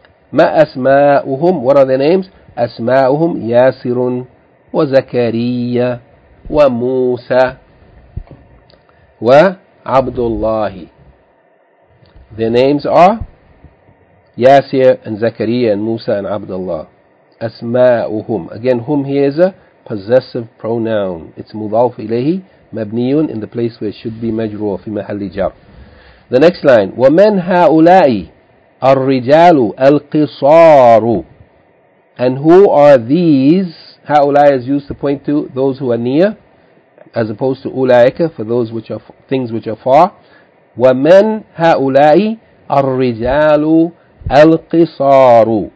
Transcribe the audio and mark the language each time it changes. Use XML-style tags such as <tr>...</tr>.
<ar>Ma asma'uhum,</ar> <en>what are their names?</en> <ar>Asma'uhum Yasirun wa Zakariya wa Musa wa Abdullah.</ar> <en>Their names are Yasir and Zakariya and Musa and Abdullah. أسماؤهم. Again, هم here is a possessive pronoun. It's مضاف إليه مبنيٌ in the place where it should be مجرور</en> <ar>في محل جر.</ar> <en>The next line.</en> <ar>ومن هؤلاء الرجال القصار.</ar> <en>And who are these? هؤلاء is used to point to those who are near, as opposed to أولئك for those which are things which are far.</en> <ar>ومن هؤلاء الرجال القصار.</ar>